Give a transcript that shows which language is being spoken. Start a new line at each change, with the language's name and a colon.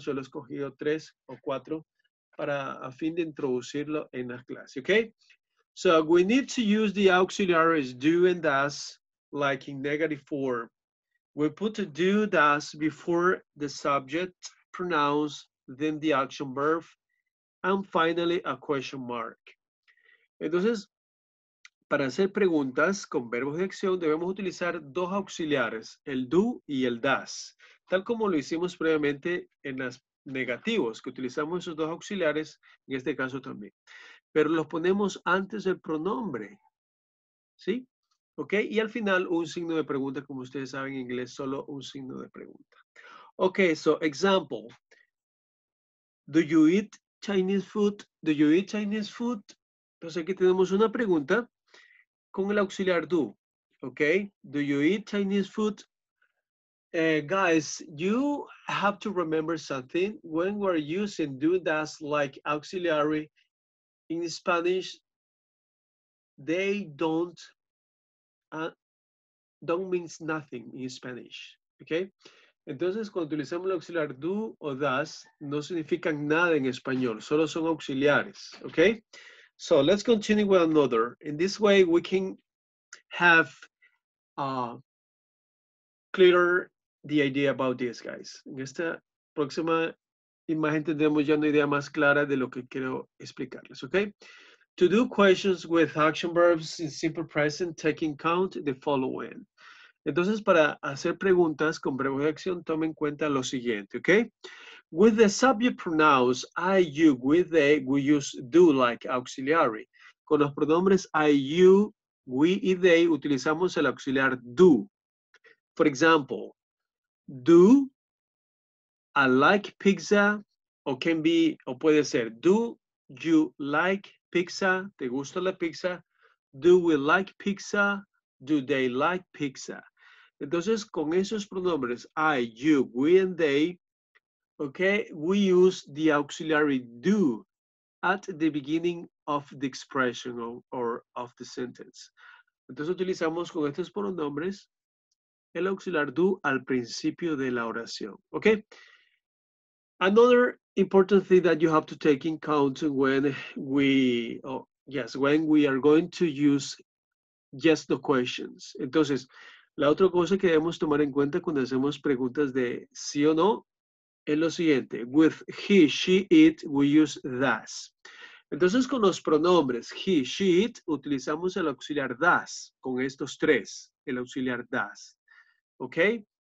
Spanish: Solo he escogido tres o cuatro para a fin de introducirlo en la clase, okay?
English: So, we need to use the auxiliaries do and does like in negative form. We put a do, does before the subject pronouns, then the action verb, and finally a question mark.
Spanish: Entonces, para hacer preguntas con verbos de acción, debemos utilizar dos auxiliares, el do y el does, tal como lo hicimos previamente en las negativos, que utilizamos esos dos auxiliares en este caso también. Pero los ponemos antes del pronombre. ¿Sí? ¿Ok? Y al final, un signo de pregunta, como ustedes saben en inglés, solo un signo de pregunta.
English: Okay, so example, do you eat Chinese food? Do you eat Chinese food?
Spanish: Entonces aquí tenemos una pregunta con el auxiliar do.
English: Okay, do you eat Chinese food? Guys, you have to remember something. When we're using do, does like auxiliary in Spanish, they don't mean nothing in Spanish. Okay?
Spanish: Entonces, cuando utilizamos el auxiliar do o does, no significan nada en español, solo son auxiliares, ¿ok?
English: So, let's continue with another. In this way, we can have clearer the idea about this, guys.
Spanish: En esta próxima imagen tendremos ya una idea más clara de lo que quiero explicarles, ¿ok?
English: To do questions with action verbs in simple present, taking count the following.
Spanish: Entonces, para hacer preguntas con verbos de acción, tome en cuenta lo siguiente, ¿ok?
English: With the subject pronouns, I, you, with they, we use do like auxiliary.
Spanish: Con los pronombres I, you, we y they, utilizamos el auxiliar do.
English: For example, do, I like pizza, o can be,
Spanish: o puede ser,
English: do you like pizza,
Spanish: te gusta la pizza,
English: do we like pizza, do they like pizza.
Spanish: Entonces, con esos pronombres,
English: I, you, we, and they, okay, we use the auxiliary do at the beginning of the expression or of the sentence.
Spanish: Entonces, utilizamos con estos pronombres el auxiliar do al principio de la oración, okay?
English: Another important thing that you have to take in account when we, when we are going to use yes, no questions.
Spanish: Entonces, la otra cosa que debemos tomar en cuenta cuando hacemos preguntas de sí o no es lo siguiente.
English: With he, she, it, we use does.
Spanish: Entonces, con los pronombres he, she, it, utilizamos el auxiliar does con estos tres, el auxiliar does. ¿Ok?